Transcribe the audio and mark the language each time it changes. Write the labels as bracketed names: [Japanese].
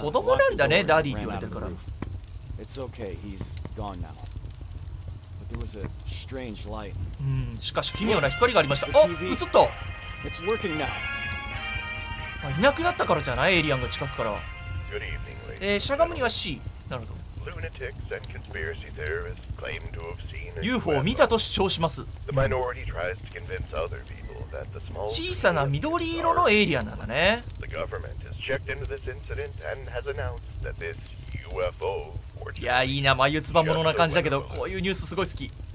[Japanese] 子供なんだね、ダディって言われてるから。 [English] It's okay. He's gone now. It was a strange light. [Japanese] しかし奇妙な光がありました。あ、映った。 [English] It's working now. [Japanese] まあ、いなくなったからじゃない、エイリアンが近くから。 [English] Good evening, [Japanese] ladies. しゃがむには C。なるほど。 [English] Lunatics and conspiracy theorists claim to have seen [Japanese] a UFO を見たと主張します。 [English] The minority tries to convince other people that the small [Japanese] 小さな緑色のエイリアンなんだね。 [English] The government has checked into this incident and has announced that this UFO [Japanese] いや、いいな、眉唾物な感じだけど、こういうニュースすごい好き。